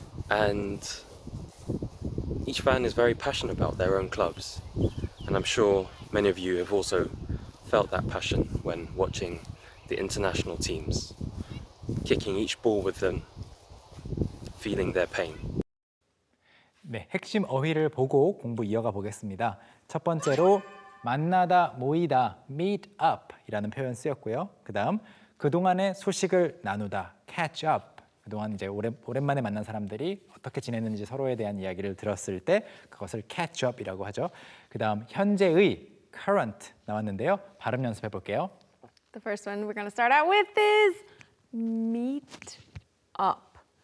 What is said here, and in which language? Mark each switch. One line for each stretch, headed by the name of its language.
English: And each fan is very passionate about their own clubs. And I'm sure many of you have also felt that passion when watching the international teams, kicking each ball with them, feeling their pain.
Korean: 네, 핵심 어휘를 보고 공부 이어가 보겠습니다. 첫 번째로 만나다, 모이다, meet up이라는 표현 쓰였고요. 그다음 그동안의 소식을 나누다, catch up. 그동안 이제 오랜만에 만난 사람들이 어떻게 지냈는지 서로에 대한 이야기를 들었을 때 그것을 catch up이라고 하죠. 그 다음 현재의 current 나왔는데요. 발음 연습해 볼게요.
English: The first one we're going to start out with is meet up.